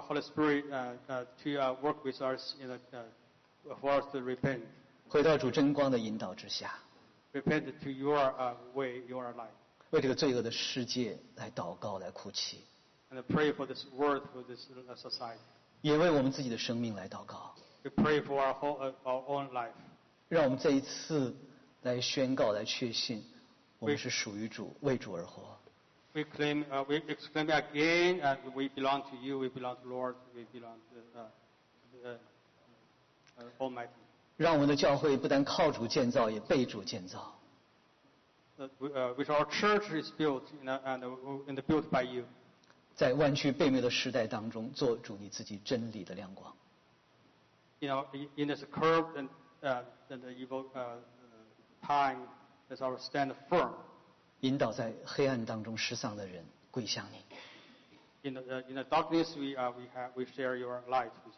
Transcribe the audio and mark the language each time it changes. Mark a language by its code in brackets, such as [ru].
[en] Holy Spirit to work with us in for us to repent. [zh] 回到主真光的引导之下, [en] repent to your way, your life. [zh] 为这个罪恶的世界来祷告, [en] and pray for this world, for this society. [zh] 也为我们自己的生命来祷告, [en] we pray for our whole our own life. [zh] 让我们这一次 来宣告，来确信， 我们是属于主， 为主而活。 [en] We claim, we exclaim again, we belong to you, we belong to the Lord, we belong to Almighty. [zh] 让我们的教会不但靠主建造， 也被主建造。 [en] Which our church is built and built by you. [zh] 在弯曲背谬的时代当中， 做主你自己真理的亮光。 [en] You know, in this curved and evil time is our stand firm. [zh] 引导在黑暗当中失丧的人归向你。 [en] In the darkness we share your light.